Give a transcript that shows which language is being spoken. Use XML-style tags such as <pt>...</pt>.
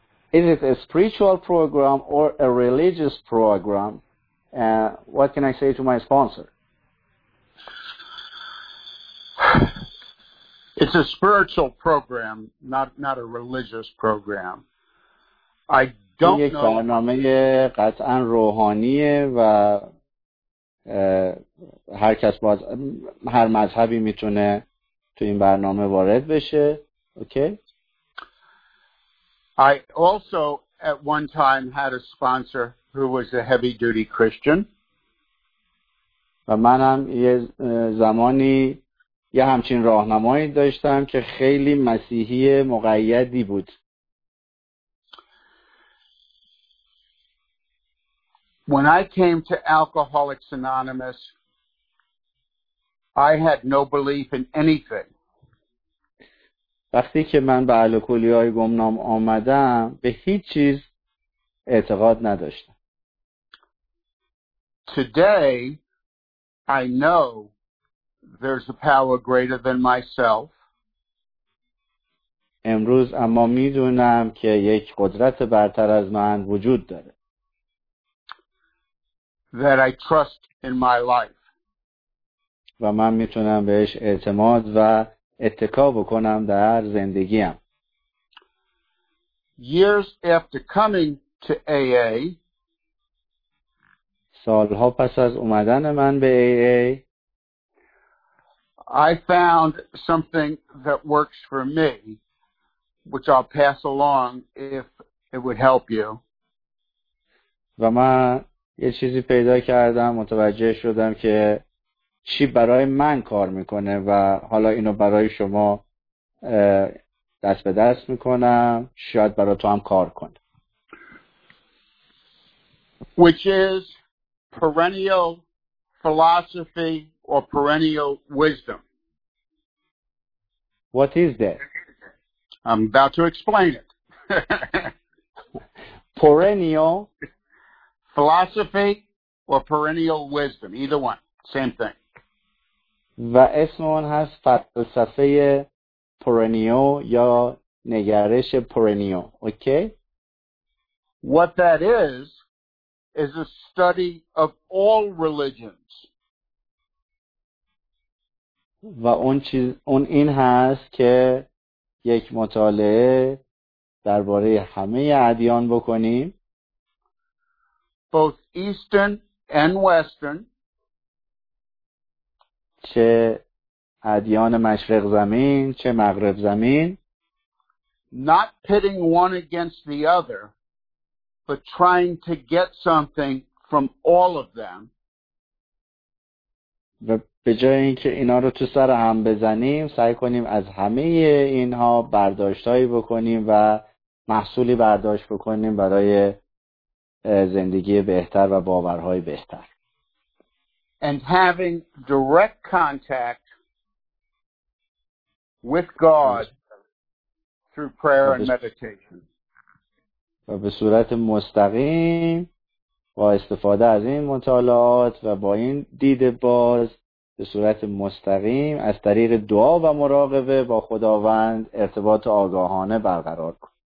<en>Is it a spiritual program or a religious program? What can I say to my sponsor? It's a spiritual program, not a religious program. I don't</en> <fa>یک برنامه قطعا روحانیه و هر کس باز هر مذهبی میتونه تو این برنامه وارد بشه.</fa> <en>I also at one time had a sponsor who was a heavy duty Christian.</en> <fa>و منم یه زمانی یه همچین راهنمایی داشتم که خیلی مسیحی مقیدی بود.</fa> <en>When I came to Alcoholics Anonymous, I had no belief in anything.</en> <fa>وقتی که من به الکلی‌های گمنام آمدم، به هیچ چیز اعتقاد نداشتم.</fa> <en>Today, I know there's a power greater than myself.</en> <fa>امروز اما می‌دونم که یک قدرت برتر از من وجود داره.</fa> <en>That I trust in my life.</en> <fa>و من میتونم بهش اعتماد و اتکا بکنم در زندگیم.</fa> <en>Years after coming to AA,</en> <fa>سالها پس از اومدن من به AA,</fa> <en>I found something that works for me, which I'll pass along if it would help you.</en> <fa>و من یه چیزی پیدا کردم، متوجه شدم که چی برای من کار میکنه و حالا اینو برای شما دست به دست میکنم، شاید برای تو هم کار کنه.</fa> <en>Which is perennial philosophy or perennial wisdom. What is that? I'm about to explain it. Perennial philosophy or perennial wisdom, either one, same thing.</en> <fa>و اسم اون هست فلسفه پرنیو یا نگرش پرنیو.</fa> <en>Okay? What that is a study of all religions.</en> <fa>و اون این هست که یک مطالعه درباره همه ادیان بکنیم.</fa> <en>Both Eastern and Western.</en> <fa>چه ادیان مشرق زمین، چه مغرب زمین.</fa> <en>Not pitting one against the other, but trying to get something from all of them.</en> <fa>و به جای اینکه اینا رو تو سر هم بزنیم، سعی کنیم از همه اینها برداشتایی بکنیم و محصولی برداشت بکنیم برای زندگی بهتر و باورهای بهتر.</fa> <en>And having direct contact with God through prayer and meditation.</en> <fa>و به صورت مستقیم با استفاده از این مطالعات و با این دید باز به صورت مستقیم از طریق دعا و مراقبه با خداوند ارتباط آگاهانه برقرار کن.</fa>